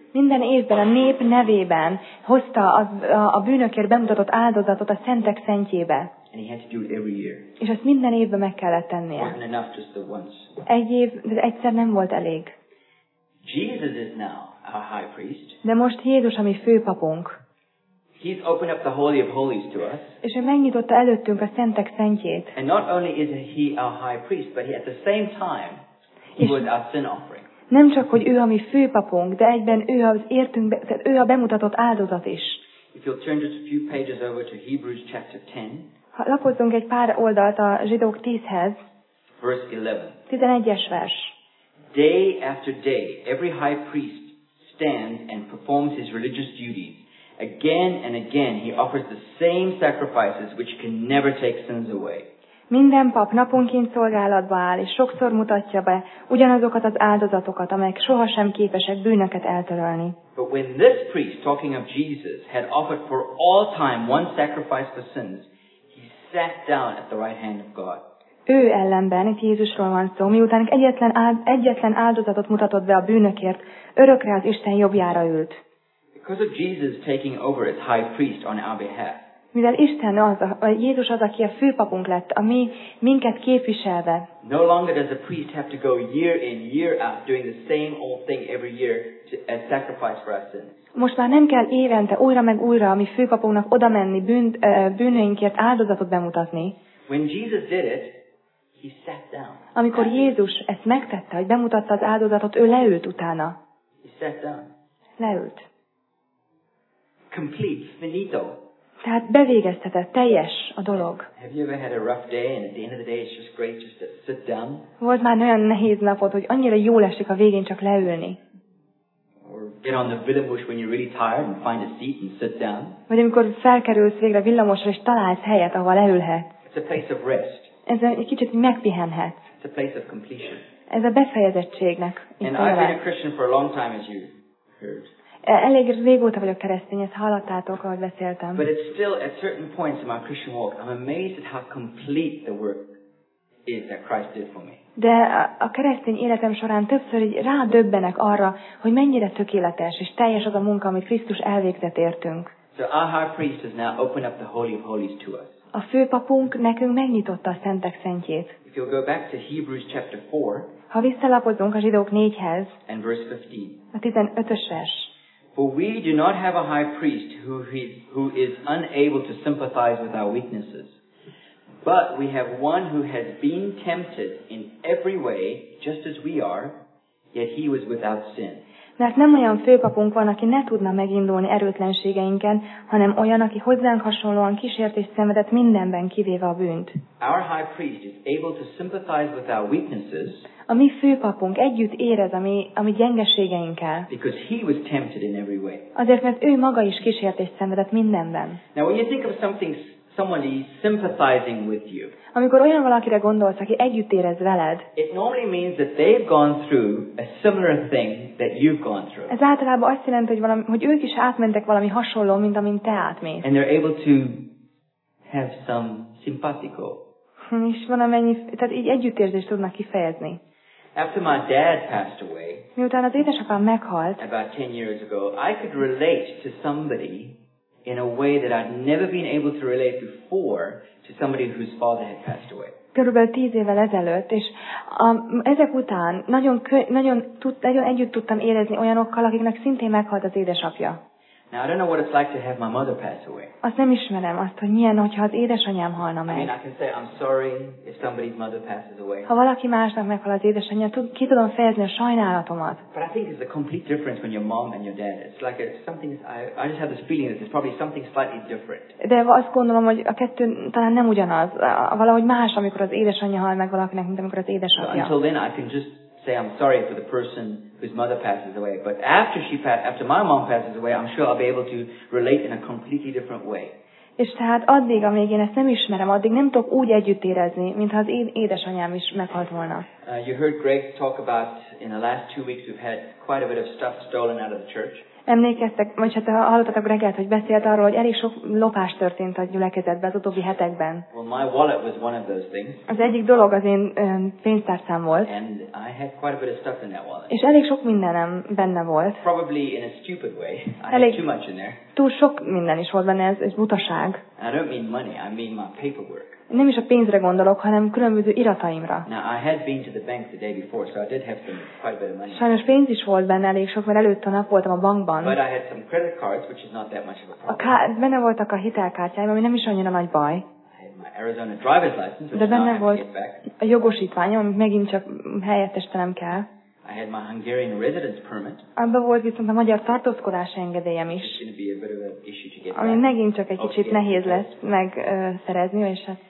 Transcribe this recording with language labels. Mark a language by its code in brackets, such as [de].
[hu] Minden évben a nép nevében hozta a bűnökért bemutatott áldozatot a szentek szentjébe. [en] And he had to do it every year. [hu] És ezt minden évben meg kellett tennie. [en] Wasn't enough just the once. [hu] Egy év, de egyszer nem volt elég. [en] Jesus is now our high priest. [hu] De most Jézus a mi főpapunk. [en] He's opened up the Holy of Holies to us. [hu] És ő megnyitotta előttünk a szentek szentjét. [en] And not only is he our high priest, but he at the same time he was our sin offering. [hu] Nem csak, hogy ő a mi főpapunk, de egyben ő az értünk, tehát ő a bemutatott áldozat is. [en] If you'll turn just a few pages over to Hebrews chapter 10. [hu] Ha lapozzunk egy pár oldalt a Zsidók 10-hez. [en] Verse 11. [hu] 11-es vers. [en] Day after day, every high priest stands and performs his religious duties. Again and again, he offers the same sacrifices which can never take sins away. [hu] Minden pap naponként szolgálatba áll, és sokszor mutatja be ugyanazokat az áldozatokat, amelyek sohasem képesek bűnöket eltörölni. [en] But when this priest, talking of Jesus, had offered for all time one sacrifice for sins, he sat down at the right hand of God. [hu] Ő ellenben, itt Jézusról van szó, miután egyetlen áldozatot mutatott be a bűnökért, örökre az Isten jobbjára ült. [en] Because of Jesus taking over as high priest on our behalf. [hu] Mivel Isten az, Jézus az, aki a főpapunk lett, ami minket képviselve. [en] No longer does a priest have to go year in, year out doing the same old thing every year as sacrifice for our sins. [hu] Most már nem kell évente újra meg újra a mi főpapunknak oda menni bűneinkért áldozatot bemutatni. [en] When Jesus did it, he sat down. [hu] Amikor Jézus ezt megtette, hogy bemutatta az áldozatot, ő leült utána. [en] He sat down. [hu] Leült. [en] Complete, finito. [hu] Tehát bevégeztetett, teljes a dolog. [en] Have you ever had a rough day and at the end of the day it's just great just to sit down? [hu] Volt már olyan nehéz napod, hogy annyira jól esik a végén csak leülni? [en] Or get on the villamos when you're really tired and find a seat and sit down? [hu] Vagy amikor felkerülsz végre villamosra és találsz helyet, ahova leülhetsz? [en] It's a place of rest. [hu] Ez egy kicsit megpihenhetsz. [en] It's a place of completion. [hu] Ez a befejezettségnek. [en] And I've been a Christian for a long time, as you heard. [hu] Elég régóta vagyok keresztény, ezt hallottátok, ahogy beszéltem. [en] But it's still at certain points in my Christian walk, I'm amazed at how complete the work is that Christ did for me. [hu] De a keresztény életem során többször így rádöbbenek arra, hogy mennyire tökéletes és teljes az a munka, amit Krisztus elvégzett értünk. [en] So our high priest has now opened up the Holy of Holies to us. [hu] A főpapunk nekünk megnyitotta a Szentek Szentjét. [en] If you'll go back to Hebrews chapter 4, [hu] ha visszalapozunk a Zsidók 4-hez, [en] and verse 15, [hu] a 15-ös vers. [en] For we do not have a high priest who is unable to sympathize with our weaknesses, but we have one who has been tempted in every way, just as we are, yet he was without sin. [hu] Mert nem olyan főpapunk van, aki ne tudna megindulni erőtlenségeinken, hanem olyan, aki hozzánk hasonlóan kísért és szenvedett mindenben, kivéve a bűnt. [en] Our high priest is able to sympathize with our weaknesses. [hu] A mi főpapunk együtt érez a mi gyengeségeinkkel. [en] Because he was tempted in every way. [hu] Azért, mert ő maga is kísért és szenvedett mindenben. [en] Now when you think of something, somebody sympathizing with you. [hu] Amikor olyan valakire gondolsz, aki együtt érez veled. [en] It normally means that they've gone through a similar thing that you've gone through. [hu] Ez általában azt jelenti, hogy ők is átmentek valami hasonló, mint amin te átmész. [en] And they're able to have some simpatico. [hu] És van amennyi, tehát így együttérzést tudnak kifejezni. [en] After my dad passed away, [hu] miután az édesapám meghalt, [en] about 10 years ago, I could relate to somebody in a way that I'd never been able to relate before to somebody whose father had passed away. [hu] Körülbelül 10 évvel ezelőtt, és ezek után nagyon együtt tudtam érezni olyanokkal, akiknek szintén meghalt az édesapja. [en] Now I don't know what it's like to have my mother pass away. [hu] Azt nem ismerem azt, hogy milyen, hogyha az édesanyám halna meg. [en] I mean, I can say I'm sorry if somebody's mother passes away. [hu] Ha valaki másnak meghal az édesanyja, ki tudom fejezni a sajnálatomat. [en] But I think it's a complete difference when your mom and your dad. It's like I just have this feeling that it's probably something slightly different. [hu] De azt gondolom, hogy a kettő talán nem ugyanaz. Valahogy más, amikor az édesanyja hal meg valakinek, mint amikor az édesapja. [en] Until then, I can just say I'm sorry for the person whose mother passes away, but after my mom passes away, I'm sure I'll be able to relate in a completely different way. [hu] És tehát addig, amíg én ezt nem ismerem, addig nem tudok úgy együtt érezni, mintha az én édesanyám is meghalt volna. [en] You heard Greg talk about in the last 2 weeks we've had quite a bit of stuff stolen out of the church. [hu] Emlékeztek, vagy hát hallottatok Greget, hogy beszélt arról, hogy elég sok lopás történt a gyülekezetben az utóbbi hetekben. [en] Well, my wallet was one of those things. [hu] Az egyik dolog az én pénztárcám volt. [en] And I had quite a bit of stuff in that wallet. [hu] És elég sok mindenem benne volt. [en] Probably in a stupid way. [hu] Elég [en] too much in there. [hu] Túl sok minden is volt benne, ez egy butaság. [en] I don't mean money, I mean my paperwork. [hu] Nem is a pénzre gondolok, hanem különböző irataimra. [en] Now, I had been to the bank the day before, so I did have some quite a bit of money. [hu] Sajnos pénz is volt benne elég sok, mert előtte a nap voltam a bankban. [en] But I had some credit cards, which is not that much of a problem. [hu] Benne voltak a hitelkártyáim, ami nem is annyira nagy baj. [en] I had my Arizona driver's license, which [hu] benne [en] now [hu] volt [en] I have to get back. [hu] A jogosítványom, amit megint csak helyettestenem kell. [en] I had my Hungarian residence permit. [hu] Abba volt viszont a magyar tartózkodás engedélyem is. [en] It's going to be a bit of an issue to get. [hu] Ami megint csak egy kicsit nehéz lesz megszerezni, és hát.